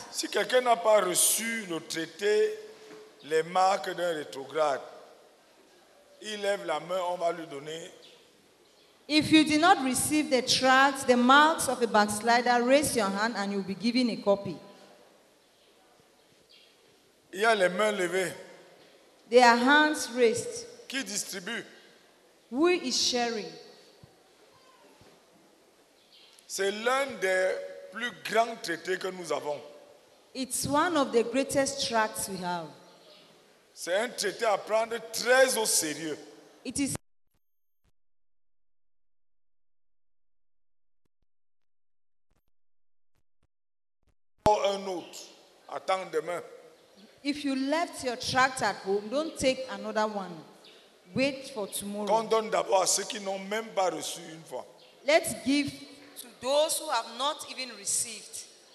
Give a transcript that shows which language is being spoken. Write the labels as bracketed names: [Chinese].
[French] Si quelqu'un n'a pas reçu le traité, les marques d'un rétrograde, il lève la main, on va lui donner. [English] If you did not receive the tract, the marks of a backslider, raise your hand and you'll be given a copy. [French] Il y a les mains levées. [English] There are hands raised. [French] Qui distribue? [English] Who is sharing? [French] C'est l'un des plus grands traités que nous avons. [English] It's one of the greatest tracts we have. [French] C'est un traité à prendre très au sérieux. [English] It is. [French] Un autre. Attends demain. [English] If you left your tract at home, don't take another one. Wait for tomorrow. [French] Qu'on donne d'abord à ceux qui n'ont même pas reçu une fois. [English] Let's give to those who have not even received.